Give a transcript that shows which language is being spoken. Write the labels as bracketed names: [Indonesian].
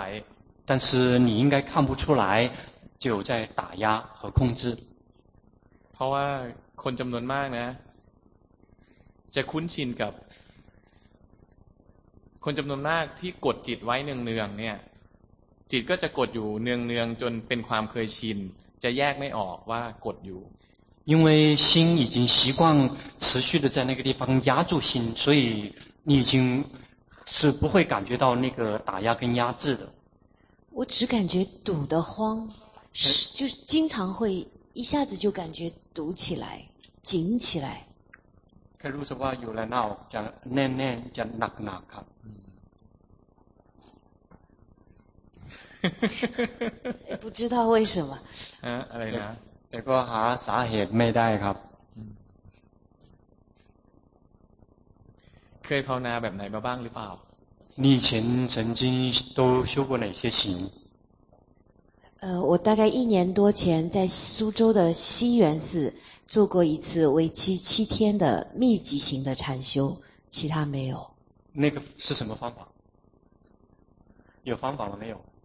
[Chinese] 但是你应该看不出来就在打压和控制 [Thai] เพราะว่าคนจำนวนมากนะจะคุ้นชินกับคนจำนวนมากที่กดจิตไว้เนืองๆเนี่ยจิตก็จะกดอยู่เนืองๆจนเป็นความเคยชินจะแยกไม่ออกว่ากดอยู่ [Chinese] 因为心已经习惯持续的在那个地方压住心所以你已经是不会感觉到那个打压跟压制的我只感觉堵得慌就是经常会一下子就感觉堵起来紧起来 [Thai] แค่รู้สึกว่าอยู่แล้วน่าจะแน่นๆจะหนักๆครับ [Chinese] ไม่不知道为什么 [Thai] อะไรนะ แต่ก็หาสาเหตุไม่ได้ครับ เคยภาวนาแบบไหนมาบ้างหรือเปล่า [Chinese] 你以前曾经都修过哪些行我大概一年多前在苏州的西园寺做过一次为期七天的密集型的禅修，其他没有。那个是什么方法？有方法了没有？